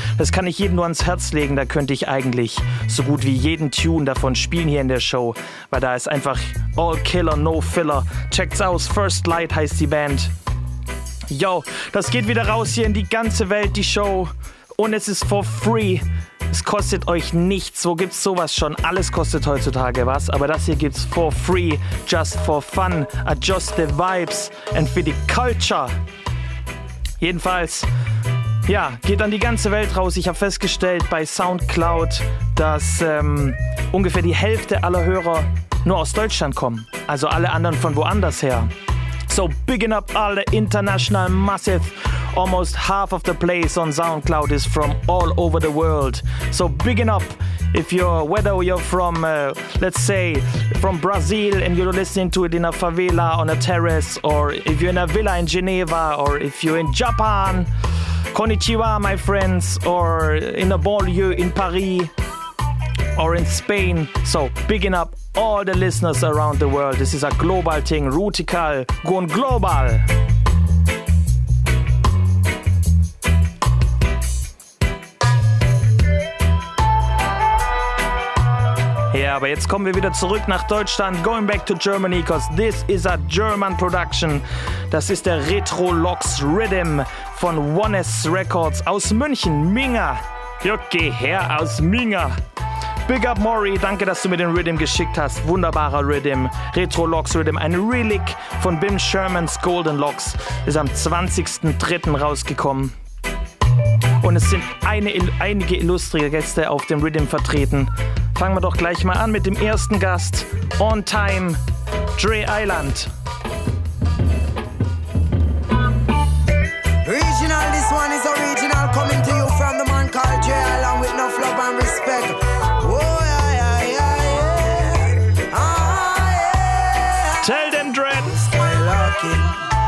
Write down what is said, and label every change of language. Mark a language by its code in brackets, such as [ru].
[de] Das kann ich jedem nur ans Herz legen. Da könnte ich eigentlich so gut wie jeden Tune davon spielen hier in der Show, weil da ist einfach [en] all killer, no filler. [de] Checkt's aus, First Light heißt die Band. Yo, das geht wieder raus hier in die ganze Welt, die Show. Und es ist [en] for free. [de] Es kostet euch nichts. Wo gibt's sowas schon? Alles kostet heutzutage was. Aber das hier gibt's [en] for free, just for fun. Adjust the vibes and for the culture. [de] Jedenfalls, ja, geht an die ganze Welt raus. Ich habe festgestellt bei SoundCloud, dass ungefähr die Hälfte aller Hörer nur aus Deutschland kommen. Also alle anderen von woanders her. [en] So bigging up all the international massive. Almost half of the place on SoundCloud is from all over the world. So bigging up if you're, whether you're from, let's say, from Brazil and you're listening to it in a favela on a terrace, or if you're in a villa in Geneva, or if you're in Japan, konnichiwa, my friends, or in a banlieue in Paris, or in Spain. So bigging up all the listeners around the world. This is a global thing. Rootikal, going global. [de] Ja, aber jetzt kommen wir wieder zurück nach Deutschland. [en] Going back to Germany, because this is a German production. [de] Das ist der Retro Lox Rhythm von Oneness Records aus München. Minger. Jo, geh her aus Minger. [en] Big up, Mori. [de] Danke, dass du mir den Rhythm geschickt hast. Wunderbarer Rhythm. Retro Lox Rhythm. Ein Relic von Bim Sherman's Golden Lox. Ist am 20.03. rausgekommen. Und es sind einige illustre Gäste auf dem Rhythm vertreten. Fangen wir doch gleich mal an mit dem ersten Gast, On Time, Dre Island. [en] Original, this one is original, coming to you from the man called Dre Island with enough love and respect. Oh, yeah, yeah, yeah, yeah. Ah, yeah. Tell them, Dre. Skylarking.